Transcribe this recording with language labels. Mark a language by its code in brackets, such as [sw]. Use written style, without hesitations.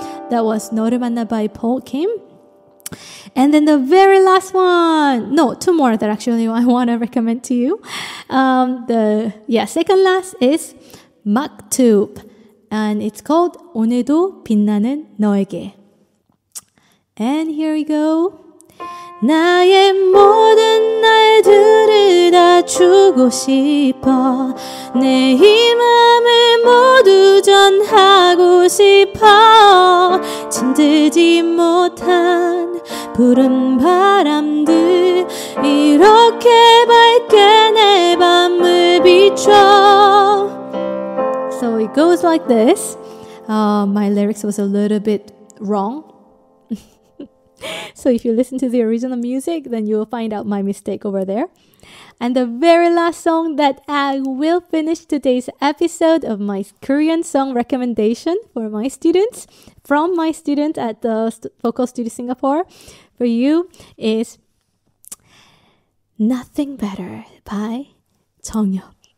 [en] That was 너를 만나 by Paul Kim. And then the very last one, no, two more that actually I want to recommend to you. Second last is Maktub, and it's called 오늘도 빛나는 너에게. And here we go. [ko] 나의 모든 날들을 다 주고 싶어. 내 이 맘을 모두 전하고 싶어. 진드지 못한 푸른 바람들 이렇게 밝게 내 밤을 비춰. [en] So it goes like this. My lyrics was a little bit wrong. So if you listen to the original music, then you will find out my mistake over there. And the very last song that I will finish today's episode of my Korean song recommendation for my students, from my student at the Vocal Studio Singapore, for you is Nothing Better by Jeongyeo.